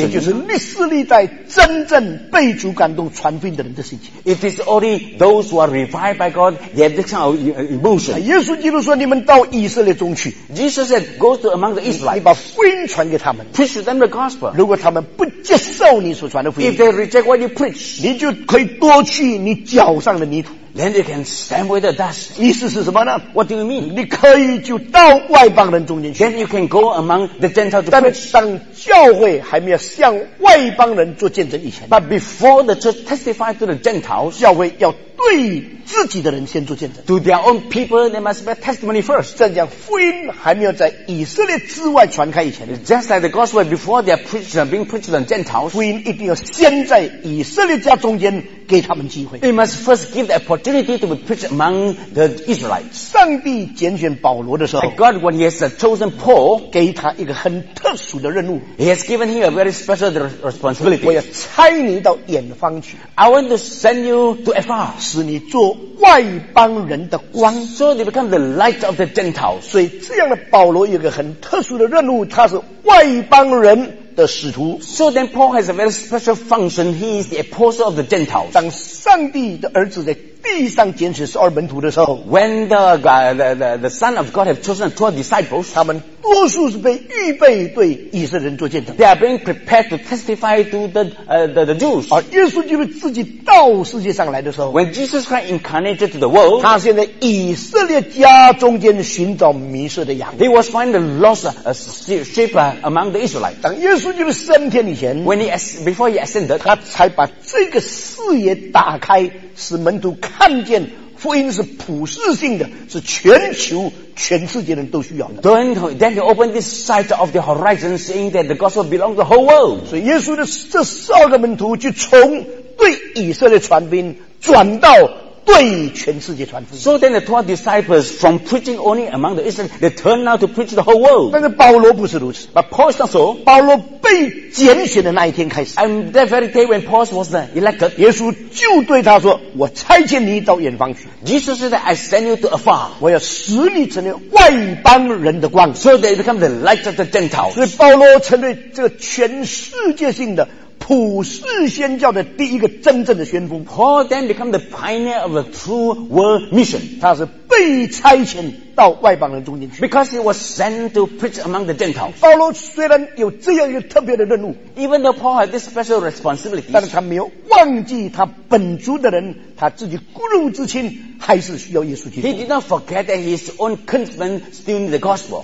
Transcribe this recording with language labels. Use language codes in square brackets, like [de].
[zh] 也就是历史历代真正被主感动传福音的人的心情。 [en] It is only those who are revived by God that this kind of emotion。 [zh] 耶稣基督说：“你们到以色列中去。 [en] ”Jesus said, "Go to among the Israelites." [zh] 你把福音传给他们 [en] ，preach them the gospel。 [zh] 如果他们不接受你所传的福音 [en] ，if they reject what you preach， [zh] 你就可以夺去你脚上的泥土。 [en] Then they can stand with the dust. [zh] 意思是什么呢 [en] ？What do you mean? [zh] 你可以就到外邦人中间去。 [en] Then you can go among the Gentiles. [zh] 但当教会还没有向外邦人做见证以前 [en] ，But before the church testify to the Gentiles, [zh] 教会要对自己的人先做见证。 [en] To their own people, they must bear testimony first. [zh] 这样福音还没有在以色列之外传开以前 [en] ，Just like the gospel before they are preached and being preached to the Gentiles, [zh] 福音一定要先在以色列家中间。给他们机会。 [en] They must first give the opportunity to be preached among the Israelites. [zh] 上帝拣选保罗的时候 [en] ，God when He has chosen Paul, [zh] 给他一个很特殊的任务。 [en] He has given him a very special responsibility. [zh] 我要差你到远方去。 [en] I want to send you to afar, [zh] 使你做外邦人的光。 [en] So you become the light of the Gentiles. [zh] 所以这样的保罗有一个很特殊的任务，他是外邦人。的使徒 [en] So then Paul has a very special function. He is the apostle of the Gentiles. [zh] 当上帝的儿子在地上拣选十二门徒的时候 [en] When the Son of God have chosen 12 disciples, [zh] 他们多数是被预备对以色列人做见证 [en] They are being prepared to testify to the Jews. [zh] 而耶稣基督自己到世界上来的时候 [en] When Jesus Christ incarnated to the world, [zh] 他现在以色列家中间寻找迷失的羊 [en] He was finding the lost sheep among the Israelites. [zh] 当耶稣基督升天以前 [en] Before he ascended, [zh] 他才把这个视野打开使门徒看见福音是普世性的是全球全世界人都需要的 [en] Then he opened this sight of the horizon saying that the gospel belongs to the whole world [zh] 所以耶稣的这十二个门徒就从对以色列传福音转到对全世界传福音 [en] So then the 12 disciples from preaching only among the Israelites they turned out to preach the whole world [zh] 但是保罗不是如此 [en] But Paul is not so [zh] 保罗被拣选的那一天开始 [en] And that very day when Paul was elected [zh] 耶稣就对他说我差遣你到远方去 [en] Jesus said I send you to afar [zh] 我要使你成为外邦人的光 [en] So they become the light of the Gentiles [zh] 所以保罗成为这个全世界性的普世宣教的第一个真正的先锋 [en] Paul then become the pioneer of a true world mission [zh] 他是被差遣到外邦人中间去 [en] Because he was sent to preach among the Gentiles [zh] 保罗虽然有这样一个特别的任务 [en] Even though Paul had this special responsibility [zh] 但是他没有忘记他本族的人他自己骨肉至亲还是需要耶稣基督。 [en] He did not forget that his own countrymen still need the gospel.